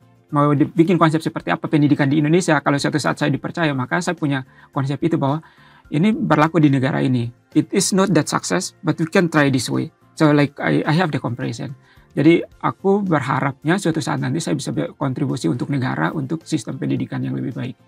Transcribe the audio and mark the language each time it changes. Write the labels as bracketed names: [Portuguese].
[Indonesian] Mau dibikin konsep seperti apa pendidikan di Indonesia, kalau suatu saat saya dipercaya, maka saya punya konsep itu bahwa ini berlaku di negara ini. [English] It is not that success, but we can try this way. So like I have the comparison. [Indonesian] Jadi aku berharapnya suatu saat nanti saya bisa kontribusi untuk negara, untuk sistem pendidikan yang lebih baik.